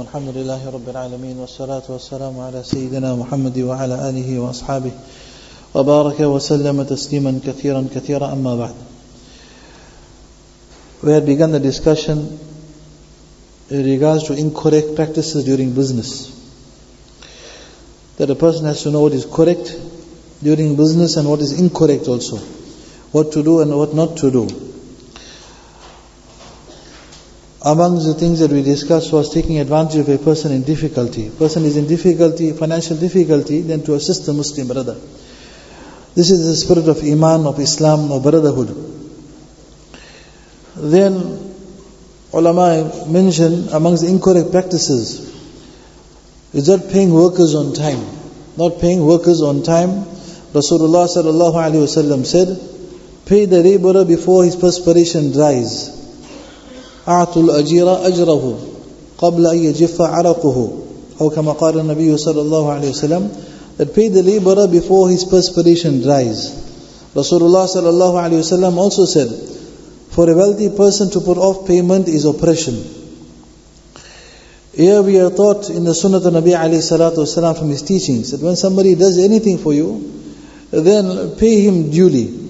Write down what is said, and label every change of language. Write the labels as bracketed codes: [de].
[ar] الحمد لله رب العالمين، والصلاة والسلام على سيدنا محمد وعلى آله وأصحابه وبارك وسلم تسليما كثيرا كثيرا. أما بعد، [en] we had begun the discussion in regards to incorrect practices during business. That a person has to know what is correct during business and what is incorrect also. What to do and what not to do. Among the things that we discussed was taking advantage of a person in difficulty. Person is in difficulty, financial difficulty, then to assist the Muslim brother. This is the spirit of Iman, of Islam, of brotherhood. Then, ulama mentioned amongst the incorrect practices is not paying workers on time. Not paying workers on time. Rasulullah sallallahu alaihi wasallam said, pay the laborer before his perspiration dries. [ar] أعطوا الأجير أجره قبل أن يجف عرقه. أو كما قال النبي صلى الله عليه وسلم, [en] that pay the laborer before his perspiration dries. Rasulullah [ar] صلى الله عليه وسلم [en] also said, for a wealthy person to put off payment is oppression. Here we are taught in the Sunnah of Nabi [ar] عليه الصلاة والسلام [en] from his teachings that when somebody does anything for you, then pay him duly.